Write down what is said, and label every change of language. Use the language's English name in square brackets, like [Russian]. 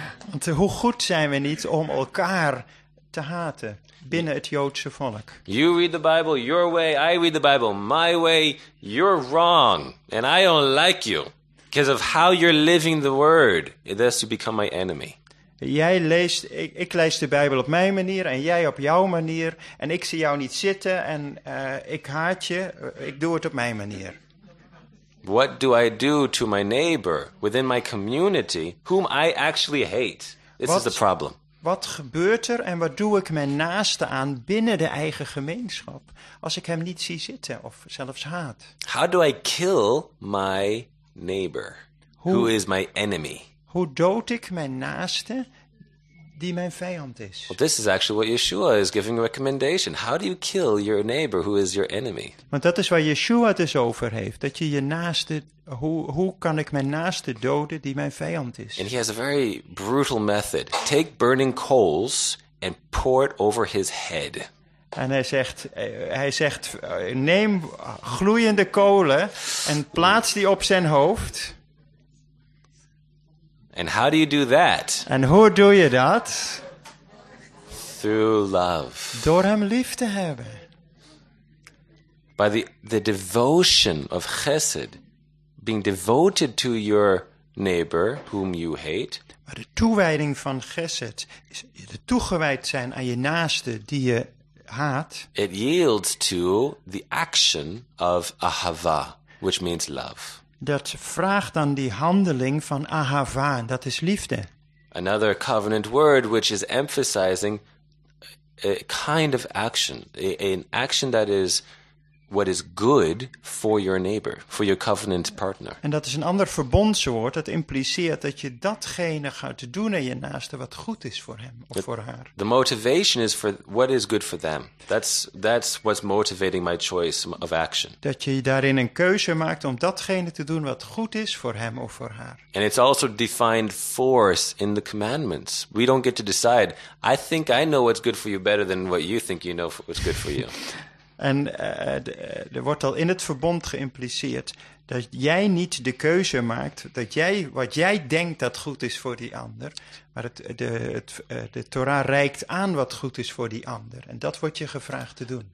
[Dutch] Want hoe goed zijn we niet om elkaar te haten binnen het Joodse volk? [English] You read the Bible your way, I read the Bible my way, you're wrong. And I don't like you. Because of how you're living the word, thus you become my enemy. [Dutch] Jij leest, ik lees de Bijbel op mijn manier en jij op jouw manier. En ik zie jou niet zitten en ik haat je, ik doe het op mijn manier. [English] What do I do to my neighbor within my community whom I actually hate? This is the problem. [Dutch] Wat gebeurt er en wat doe ik mijn naaste aan binnen de eigen gemeenschap als ik hem niet zie zitten of zelfs haat? [English] How do I kill my neighbor who is my enemy? [Dutch] Hoe dood ik mijn naaste die mijn vijand is? [English] Well, this is actually what Yeshua is giving a recommendation. How do you kill your neighbor who is your enemy? [Dutch] Want dat is waar Yeshua het dus over heeft. Dat je naaste, hoe kan ik mijn naaste doden die mijn vijand is? [English] And he has a very brutal method. Take burning coals and pour it over his head. [Dutch] En hij zegt, neem gloeiende kolen en plaats die op zijn hoofd. [English] And how do you do that? [Dutch] En hoe doe je dat? [English] Through love. [Dutch] Door hem lief te hebben. [English] By the devotion of chesed, being devoted to your neighbor whom you hate. [Dutch] Maar de toewijding van chesed is de toegewijd zijn aan je naaste die je haat. [English] It yields to the action of ahava, which means love. [Dutch] Dat vraagt dan die handeling van ahava, dat is liefde. [English] Another covenant word which is emphasizing a kind of action. An action that is what is good for your neighbor, for your covenant partner. [Dutch] En dat is een ander verbondswoord dat impliceert dat je datgene gaat doen aan je naaste wat goed is voor hem of voor haar. [English] The motivation is for what is good for them. That's what's motivating my choice of action. [Dutch] Dat je daarin een keuze maakt om datgene te doen wat goed is voor hem of voor haar. [English] And it's also defined force in the commandments. We don't get to decide. I think I know what's good for you better than what you think you know what's good for you. [Dutch] En er wordt al in het verbond geïmpliceerd dat jij niet de keuze maakt, dat jij wat jij denkt dat goed is voor die ander, maar de Torah reikt aan wat goed is voor die ander. En dat wordt je gevraagd te doen.